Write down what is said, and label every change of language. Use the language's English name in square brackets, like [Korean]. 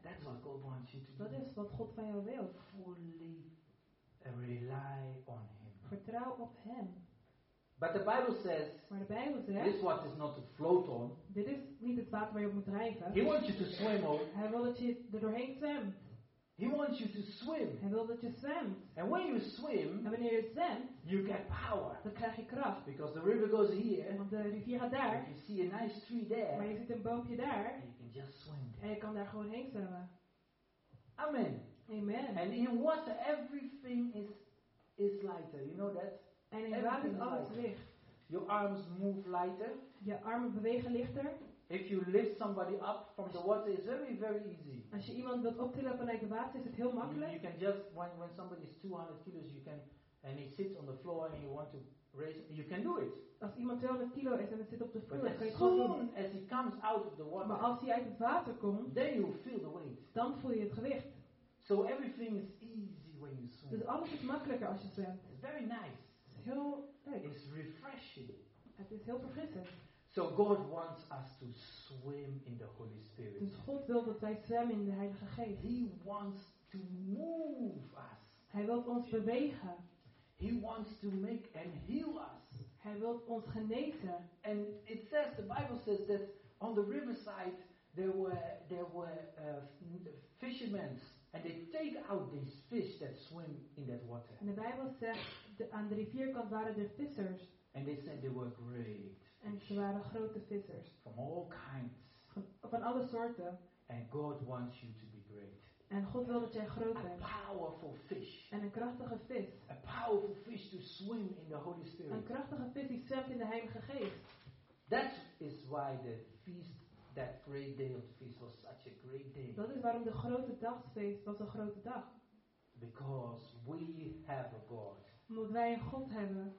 [English] That's what God wants you to do. [Dutch] Dat is wat God van jou wil. [English] Fully rely on Him. [Dutch] Vertrouw op Hem. [English] But the Bible says. [Dutch] Maar de Bijbel zegt. [English] This water is not to float on. [Dutch] Dit is niet het water waar je op moet drijven. [English] He wants you to swim on. [Dutch] Hij wil dat je er doorheen zwemt. [English] He wants you to swim. [Dutch] Hij wil dat je zwemt. [English] And when you swim, [Dutch] en wanneer je zwemt, [English] you get power. [Dutch] Dan krijg je kracht. [English] Because the river goes here. [Dutch] Want de rivier gaat daar. [English] You see a nice tree there. [Dutch] Maar je ziet een boompje daar. [English] And you can just swim. [Dutch] En je kan daar gewoon heen zwemmen. [English] Amen. [Dutch] Amen. [English] And in water, everything is lighter. You know that? [Dutch] En in water is alles licht. [English] Your arms move lighter. [Dutch] Je armen bewegen lichter. [English] If you lift somebody up from the water, it's very, very easy. [Dutch] Als je iemand wilt optillen vanuit het water, is het heel makkelijk. [English] You can just when somebody is 200 kilos, you can and he sits on the floor and you want to raise, you can do it. [Dutch] Als iemand 200 kilo is en hij zit op de vloer, [English] but [Dutch] kan je het doen. [English] Soon as he comes out of the water, [Dutch] maar als hij uit het water komt, [English] then you feel the weight. [Dutch] Dan voel je het gewicht. [English] So everything is easy when you swim. [Dutch] Dus alles is makkelijker als je zwemt. [English] It's very nice. It's [Dutch] heel leuk. [English] It's refreshing. [Dutch] Het is heel verfrissend. [English] So God wants us to swim in the Holy Spirit. [Dutch] Dus God wil dat wij zwemmen in de Heilige Geest. [English] He wants to move us. [Dutch] Hij wil ons bewegen. [English] He wants to make and heal us. [Dutch] Hij wil ons genezen. [English] And it says, the Bible says that on the riverside there were fishermen and they take out these fish that swim in that water. [Dutch] En de Bijbel zegt aan de rivierkant waren er vissers. [English] And they said they were great. [Dutch] En ze waren grote vissers. [English] From all kinds. [Dutch] Van alle soorten. [English] And God wants you to be great. [Dutch] En God wil dat jij groot bent. [English] A powerful fish. [Dutch] En een krachtige vis. [English] A powerful fish to swim in the Holy Spirit. [Dutch] Een krachtige vis die zwemt in de Heilige Geest. [English] That is why the feast, that great day of the feast, was such a great day. [Dutch] Dat is waarom de grote dagfeest was een grote dag. [English] Because we have a God. [Dutch] Omdat wij een God hebben.